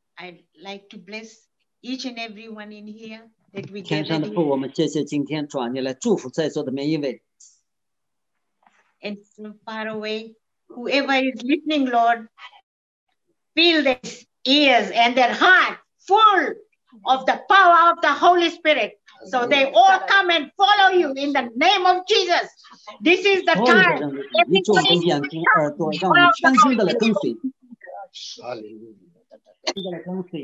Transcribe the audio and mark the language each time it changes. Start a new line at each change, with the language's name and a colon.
English: I'd like to bless each and every one in here that we can.
Chinese: 天上的父，我们谢谢今天主，你来祝福在座的每一位。
English: And from far away, whoever is listening, Lord, fill their ears and their heart full of the power of the Holy Spirit. So they all come and follow you in the name of Jesus. This is the time.